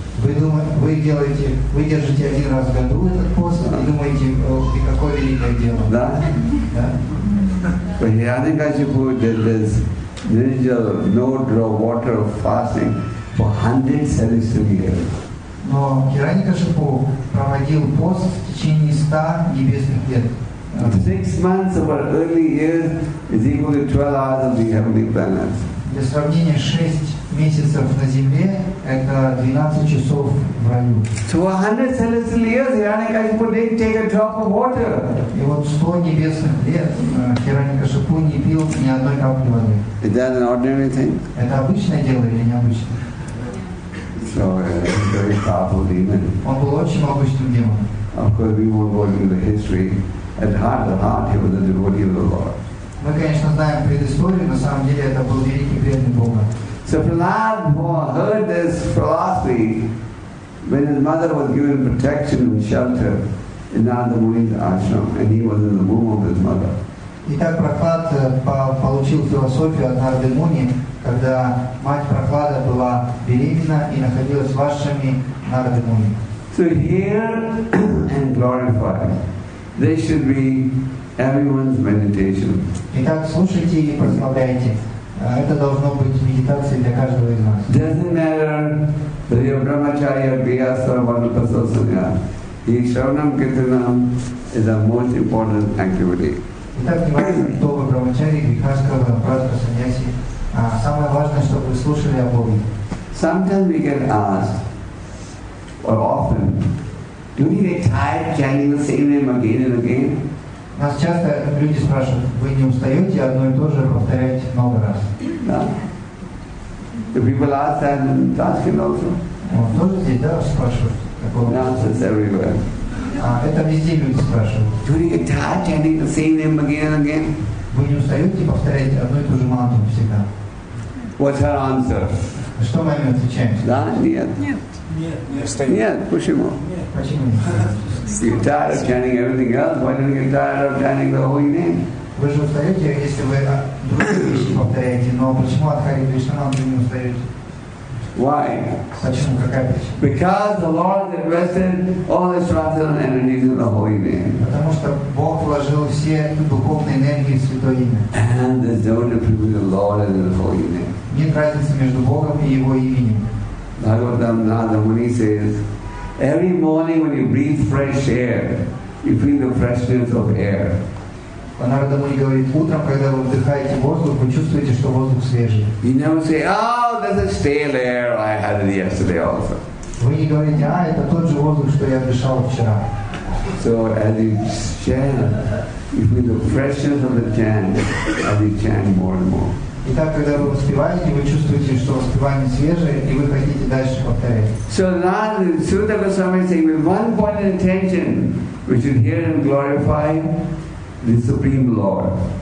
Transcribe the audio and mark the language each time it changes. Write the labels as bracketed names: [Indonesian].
[Russian] Вы держите один раз в году этот пост, и думаете, ты какое великое дело. Да? Да. [English] Hiranyakashipu did this ritual, no drop water of fasting for 100 celestial years. [Russian] Но Hiranyakashipu проводил пост в течение 100 небесных лет. [English] 6 months of our early years is equal to 12 hours of the heavenly planets. [Russian] Для сравнения, 6 месяцев на Земле – это 12 часов в раю. [English] So 100 celestial years, Hiranyakashipu didn't take a drop of water. [Russian] И вот 100 небесных лет Hiranyakashipu не пил ни одной капли воды. [English] Is that an ordinary thing? [Russian] Это обычное дело или необычное? [English] So, very powerful demon. [Russian] Он был очень обычным демоном. [English] Of course, we won't go into the history. At heart to heart, he was a devotee of the Lord. [Russian] Мы, конечно, знаем предысторию, на самом деле это был великий преданный Бога. [English] So Prahlad heard this philosophy when his mother was given protection and shelter in Narada Muni's ashram, and he was in the womb of his mother. [Russian] Итак, Прохлад получил философию от Нарады Муни, когда мать Прохлада была беременна и находилась в ашраме Нарады Муни. [English] So hear and glorify. This should be everyone's meditation. [Russian] Итак, слушайте и прославляйте. Это должно быть медитацией для каждого из нас. [English] Doesn't matter whether you're brahmacharya, grihastha, vanaprastha, sannyasi. Shravanam kirtanam is the most important activity. [Russian] Итак, внимание, кто вы брахмачари, грихастха, ванапрастха, саньяси. Самое важное, чтобы вы слушали о Боге. [English] Sometimes we get asked, or often, do we get tired chanting the same name again and again? [Russian] Нас часто люди спрашивают, вы не устаете одно и то же повторять много раз? Да. [English] The people ask that and ask him also. [Russian] Вот тоже здесь, да, спрашивают? [English] The answer is everywhere. [Russian] Это везде люди спрашивают. [English] Do we get tired chanting the same name again and again? [Russian] Вы не устаете повторять одно и то же мантру всегда? [English] What's her answer? [Russian] Что мы ему отвечаем? Да? Нет. Нет, не встаю. Нет, почему? Почему? [English] You're tired of chanting everything else. Why don't you get tired of chanting the holy name? [Russian] Вы же устаете, если вы другие вещи повторяете, но почему от Хари Кришна вы не устаете? [English] Why? [Russian] Почему? Какая причина? [English] Because the Lord invested all his transcendental energies in the holy name. [Russian] Потому что Бог вложил все духовные энергии в святое имя. [English] And there's no difference between the Lord and the holy name. [Russian] Нет разницы между Богом и его именем. [English] Bhagavatam Narada Muni says, every morning when you breathe fresh air, you feel the freshness of air. [Russian] Narada Muni говорит, утром, когда вы вдыхаете воздух, вы чувствуете, что воздух свежий. [English] You never say, oh, this is stale air, I had it yesterday also. [Russian] Вы не говорите, а, это тот же воздух, что я дышал вчера. [English] So as you chant, you feel the freshness of the chant as you chant more and more. [Russian] Итак, когда вы успеваете, вы чувствуете, что успевание свежее, и вы хотите дальше повторять. [English] So now the Sutta Goswami is saying, with one point of attention, we should hear and glorify the Supreme Lord.